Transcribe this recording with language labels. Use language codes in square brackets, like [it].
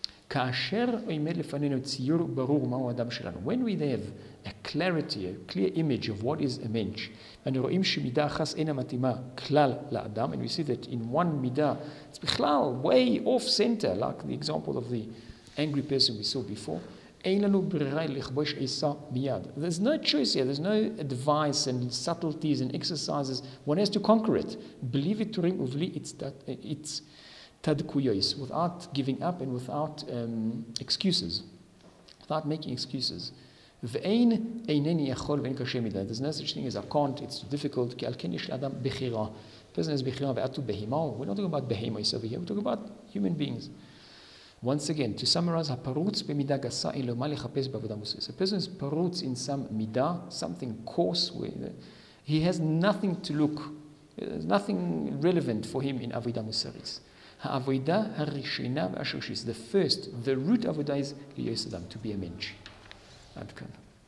[he] כאשר עומד לפנינו ציור ברור מהו האדם שלנו, [en] when we have a clarity, a clear image of what is a mensch, [he] ואנו רואים שמידה אחת אינה מתאימה כלל לאדם, [en] and we see that in one מידה, it's בכלל way off center, like the example of the angry person we saw before, [he] אין לנו ברירה לכבוש עיסה מיד. [en] There's no choice here, there's no advice and subtleties and exercises, one has to conquer it. [he] בלי ויתורים ובלי [en] it's תדקויות, without giving up and without excuses, without making excuses. [he] ואין אינני יכול ואין קשה מדי. [en] There's no such thing as I can't, it's difficult, [he] כי על כן יש לאדם בחירה. [en] Person has [he] בחירה ואתו בהימה. [en] We're not talking about behemoths over here, we're talking about human beings. Once again, to summarize, [he] הפרוץ במידה גסה אין לו מה לחפש בעבודה מוסרית. [en] A person is פרוץ in some מידה, something coarse, he has nothing to look, there's nothing relevant for him in עבודה מוסרית. [he] העבודה הראשונה והשורשית, [en] the first, the root עבודה is [he] להיות אדם, [en] to be a mensch. [he] עד כאן.